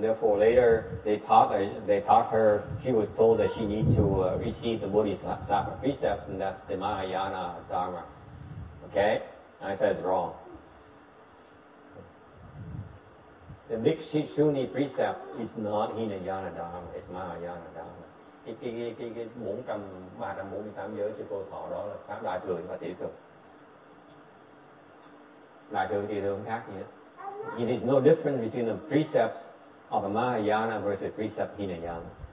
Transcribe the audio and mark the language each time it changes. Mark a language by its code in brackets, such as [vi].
[en] Therefore, later they taught her. She was told that she needs to receive the Bodhisattva precepts, and that's the Mahayana Dharma. Okay, and I said it's wrong. The Bhikshuni precept is not Hinayana Dharma; it's Mahayana Dharma. [vi] Cái 348 giới sư cô thọ đó là pháp đại thừa và tiểu thừa. Đại thừa tiểu thừa không khác gì hết. [en] It is no different between the precepts of a Mahayana versus the precept Hinayana.